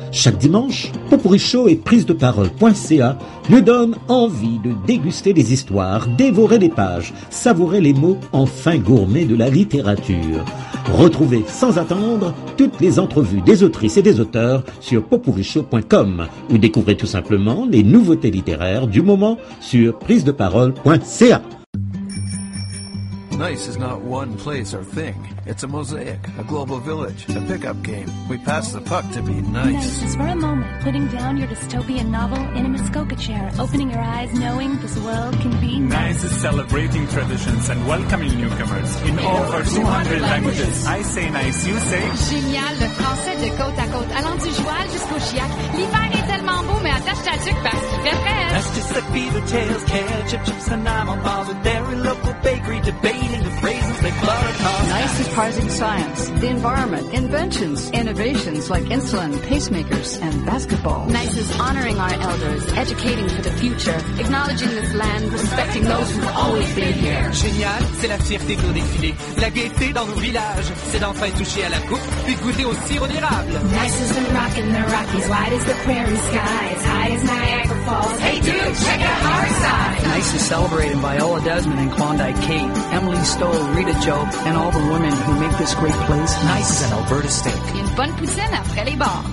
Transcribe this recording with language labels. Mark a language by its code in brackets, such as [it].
[fr] Chaque dimanche, Popourri Show et prisedeparole.ca nous donnent envie de déguster les histoires, dévorer les pages, savourer les mots enfin gourmets de la littérature. Retrouvez sans attendre toutes les entrevues des autrices et des auteurs sur popourrichaud.com ou découvrez tout simplement les nouveautés littéraires du moment sur prisedeparole.ca. [en] Nice is not one place or thing. It's a mosaic, a global village, a pickup game. We pass the puck to be nice. Nice is for a moment putting down your dystopian novel in a Muskoka chair, opening your eyes knowing this world can be nice. Nice is celebrating traditions and welcoming newcomers in over 200 languages. I say nice, you say? [fr] Génial, le français de côte à côte, allant du joual jusqu'au chiac. L'hiver est tellement beau, mais attache ta tuque parce qu'il fait frais. [en] That's just suck beaver tails, ketchup chips, and I'm on bars with their local bakery debating the phrases they butter toss. Nice surprising science, the environment, inventions, innovations like insulin, pacemakers, and basketball. Nice is honoring our elders, educating for the future, acknowledging this land, respecting those who've always been here. [fr] Génial, c'est la fierté de nos défilés, la gaieté dans nos villages, c'est d'enfin toucher à la coupe, puis goûter au sirop d'érable. [en] Nice is the rock in the Rockies, wide as the prairie sky, as high as Niagara Falls. Hey dude, check out our side. Nice is celebrating Viola Desmond and Klondike Kate, Emily Stoll, Rita Joe, and all the women who make this great place. Nice is an Alberta steak. [fr] Une bonne poutine après les bars.